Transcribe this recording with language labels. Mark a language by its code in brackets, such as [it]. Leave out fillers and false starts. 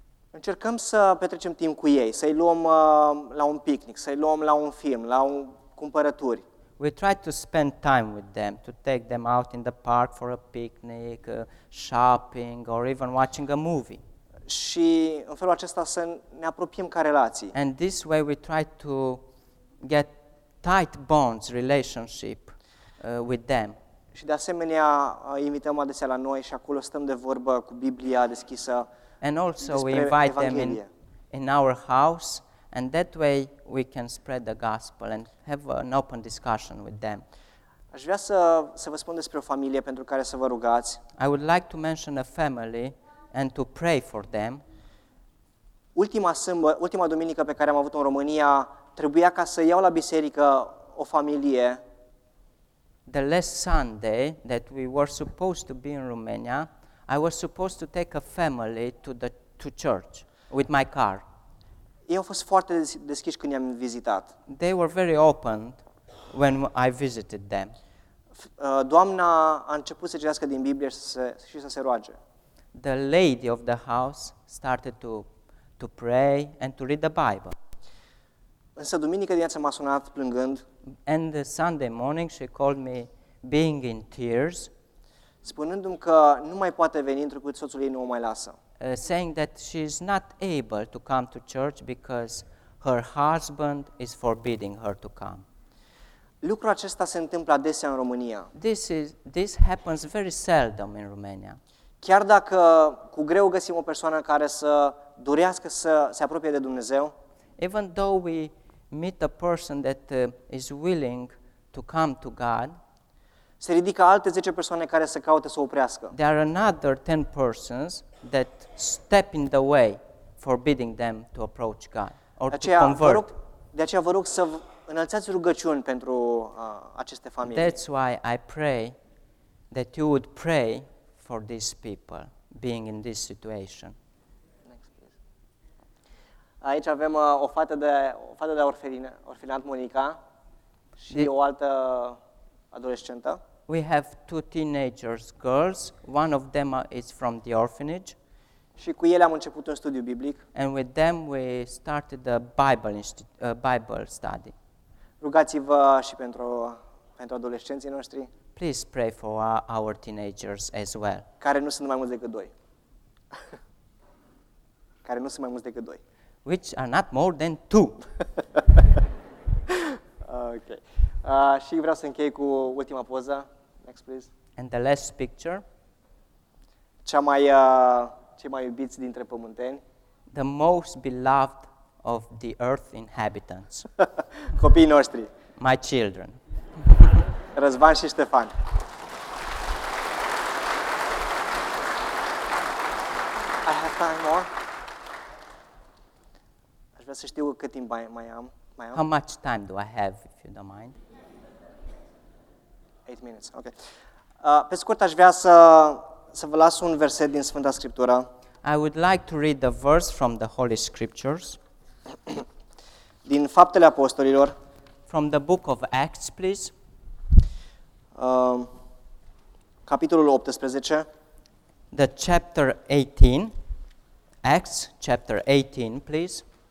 [ro] Încercăm să petrecem timp cu ei, să-i luăm la un picnic, să-i luăm la un film, la un cumpărături. [en] We try to spend time with them, to take them out in the park for a picnic, shopping, or even watching a movie. [ro] Și în felul acesta să ne apropiem ca relații. [en] And this way we try to get tight bonds, relationship with them. [ro] Și de asemenea invităm adesea la noi și acolo stăm de vorbă cu Biblia deschisă. [en] And also we invite them in our house, and that way we can spread the gospel and have an open discussion with them. [ro] Aș vrea să vă spun despre o familie pentru care să vă rugați. [en] I would like to mention a family and to pray for them. [ro] Ultima duminică pe care am avut-o în România, trebuia ca să iau la biserică o familie. [en] The last Sunday that we were supposed to be in Romania, I was supposed to take a family to church with my car. [ro] Ei au fost foarte deschiși când i-am vizitat. [en] They were very open when I visited them. [ro] Doamna a început să citească din Biblie și să se roage. [en] The lady of the house started to pray and to read the Bible. [ro] Însă duminică dimineața m-a sunat plângând. [en] And the Sunday morning she called me being in tears, [ro] spunându-mi că nu mai poate veni întrucât soțul ei nu o mai lasă. [en] Saying that she is not able to come to church because her husband is forbidding her to come. [ro] Lucrul acesta se întâmplă adesea în România. [en] This happens very seldom in Romania. [ro] Chiar dacă cu greu găsim o persoană care să dorească să se apropie de Dumnezeu, [en] even though we meet a person that is willing to come to God, [ro] se ridică alte 10 persoane care să caute să o oprească. [en] There are another 10 persons that step in the way forbidding them to approach God or to convert. [ro] De aceea vă rog să înălțați rugăciuni pentru aceste familii. [en] That's why I pray that you would pray for these people being in this situation. [ro] Aici avem o fată de orfelinat, Monica, și o altă adolescentă. [en] We have two teenagers, girls. One of them is from the orphanage. [ro] Și cu ele am început un studiu biblic. [en] And with them we started a Bible study. [ro] Rugați-vă și pentru adolescenții noștri. [en] Please pray for our teenagers as well. [ro] Care nu sunt mai mulți decât doi. Care nu sunt mai mulți decât doi. [en] Which are not more than two. Okay. [ro] Și vreau să închei cu ultima poză. [en] Next, please. And the last picture. [ro] Cei mai iubiți dintre pământeni. [en] The most beloved of the earth inhabitants. [ro] Copiii noștri. [en] My children. [ro] Răzvan și Ștefan. [en] I have time more. [ro] Aș vrea să știu cât timp mai am. [en] How much time do I have, if you don't mind? 8 minutes, okay. [ro] Pe scurt, aș vrea să vă las un verset din Sfânta Scriptură. [en] I would like to read the verse from the Holy Scriptures. [ro] Din Faptele Apostolilor. [en] From the book of Acts, please. [ro] Capitolul 18. [en] The chapter 18. Acts chapter 18, please.